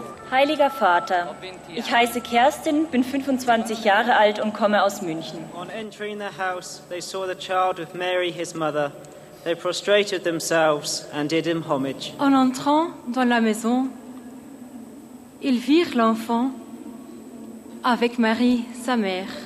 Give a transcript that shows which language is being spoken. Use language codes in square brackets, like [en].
[de] Heiliger Vater, ich heiße Kerstin, bin 25 Jahre alt und komme aus München. [en] On entering the house, they saw the child with Mary, his mother. They prostrated themselves and did him homage. [fr] En entrant dans la maison, ils virent l'enfant avec Marie, sa mère.